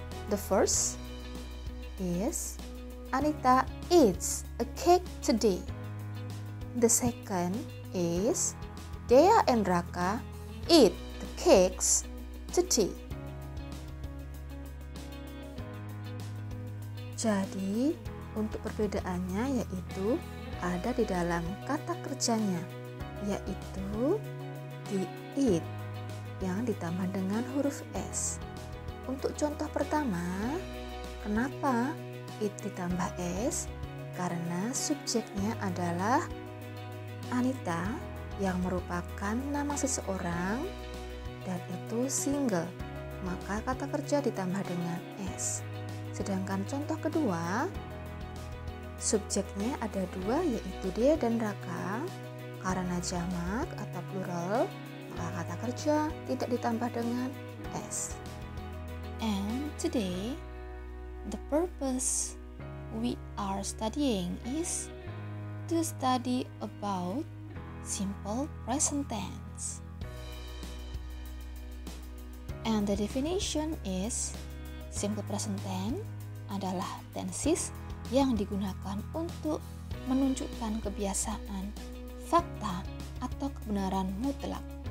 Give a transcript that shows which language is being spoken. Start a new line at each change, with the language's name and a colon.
English: The first is, Anita eats a cake today. The second is, Dea and Raka eat the cakes today.
Indonesian: Jadi, untuk perbedaannya yaitu ada di dalam kata kerjanya, yaitu di eat yang ditambah dengan huruf S. Untuk contoh pertama, kenapa eat ditambah S? Karena subjeknya adalah Anita yang merupakan nama seseorang dan itu single, maka kata kerja ditambah dengan S. Sedangkan contoh kedua, subjeknya ada dua yaitu Dea dan Raka, karena jamak atau plural, maka kata kerja tidak ditambah dengan S.
English: And today, the purpose we are studying is to study about simple present tense. And the definition is simple present tense
Indonesian: adalah tenses yang digunakan untuk menunjukkan kebiasaan, fakta, atau kebenaran mutlak.